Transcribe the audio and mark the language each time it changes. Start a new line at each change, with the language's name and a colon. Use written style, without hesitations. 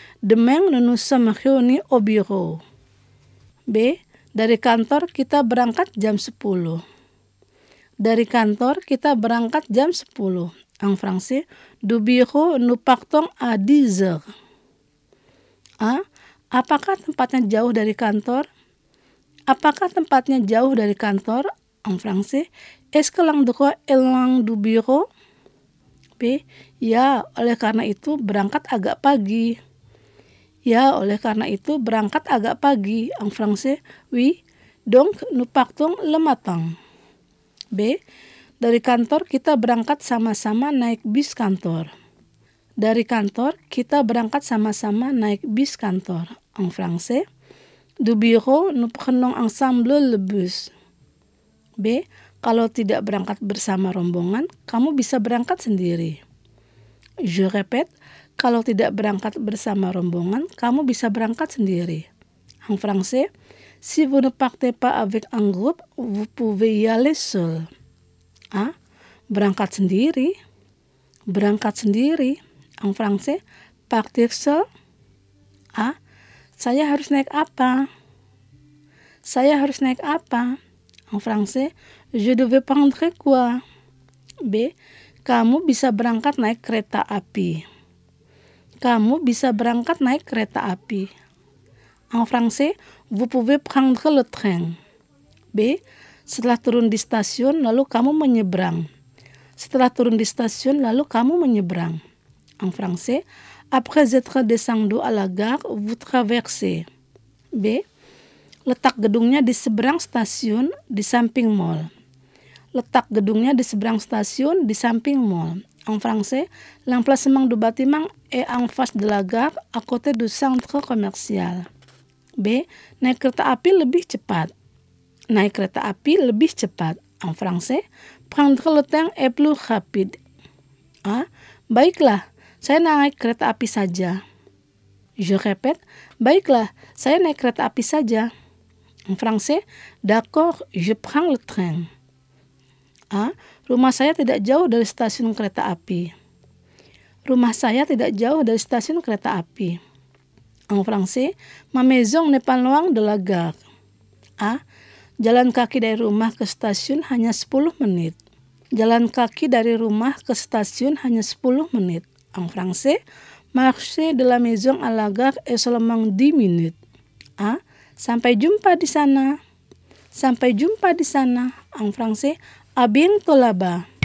French: Demain nous sommes réunis au bureau.
Indonesian: B. Dari kantor kita berangkat jam 10. Dari kantor kita berangkat jam 10.
French: En français. Du bureau nous partons à 10 heures. A.
Indonesian: Apakah tempatnya jauh dari kantor? Apakah tempatnya jauh dari kantor?
French: En français. Est-ce que l'endroit est loin du bureau? B.
Indonesian: Ya, oleh karena itu berangkat agak pagi. Ya, oleh karena itu berangkat agak pagi.
French: En français. Oui, donc nous partons le matin.
Indonesian: B. Dari kantor kita berangkat sama-sama naik bis kantor. Dari kantor kita berangkat sama-sama naik bis kantor.
French: En français. Du bureau, nous prenons ensemble le bus. B.
Indonesian: Kalau tidak berangkat bersama rombongan, kamu bisa berangkat sendiri.
French: Je répète,
Indonesian: kalau tidak berangkat bersama rombongan, kamu bisa berangkat sendiri.
French: En français, si vous ne partez pas avec un groupe, vous pouvez y aller seul. A.
Indonesian: Berangkat sendiri. Berangkat sendiri.
French: En français, partir seul. A.
Indonesian: Saya harus naik apa? Saya harus naik apa?
French: En français, je devais prendre quoi? B.
Indonesian: Kamu bisa berangkat naik kereta api. Kamu bisa berangkat naik kereta api.
French: En français, vous pouvez prendre le train. B.
Indonesian: Setelah turun di stasiun, lalu kamu menyeberang. Setelah turun di stasiun, lalu kamu menyeberang.
French: En français, Après être descendu à la gare, vous traversez. B.
Indonesian: Letak gedungnya di seberang stasiun, di samping mall. Letak gedungnya di seberang stasiun, di samping mall.
French: En français, l'emplacement du bâtiment est en face de la gare, à côté du centre commercial. B.
Indonesian: Naik kereta api lebih cepat. Naik kereta api lebih cepat.
French: En français, prendre le train est plus rapide. A.
Indonesian: Baiklah, saya naik kereta api saja.
French: Je répète,
Indonesian: baiklah, saya naik kereta api saja.
French: En français, d'accord, je prends le train. A.
Indonesian: Rumah saya tidak jauh dari stasiun kereta api. Rumah saya tidak jauh dari stasiun kereta api.
French: En français, ma maison n'est pas loin de la gare. A.
Indonesian: Jalan kaki dari rumah ke stasiun hanya 10 menit. Jalan kaki dari rumah ke stasiun hanya 10 menit.
French: En français, marcher de la maison à la gare est seulement 10 minutes. A.
Indonesian: Sampai jumpa di sana. Sampai jumpa di sana.
French: En français, à bientôt là-bas.